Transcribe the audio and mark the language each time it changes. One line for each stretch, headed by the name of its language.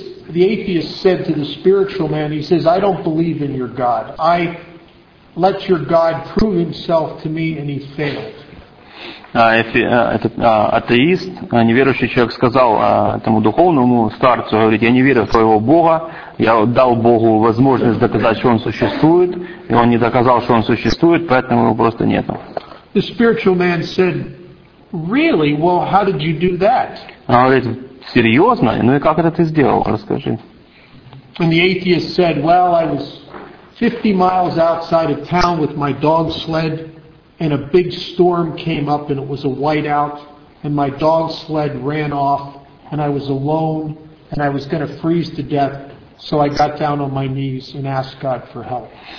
English: The atheist said to the spiritual man, he says, "I don't believe in your God. I let your God prove himself to me, and he failed."
Russian: Атеист, неверующий человек сказал этому духовному старцу, говорит, я не верю в твоего Бога, я дал Богу возможность доказать, что он существует, и он не доказал, что он существует, поэтому его просто нету.
English: The spiritual man said, really? Well, how did you do that?
Russian: Он говорит, серьезно? Ну и как это ты сделал? Расскажи.
English: And the atheist said, well, I was 50 miles outside of town with my dog sled, and a big storm came up, and it was a whiteout, and my dog sled ran off, and I was alone, and I was going to freeze to death, so I got down on my knees and asked God for help.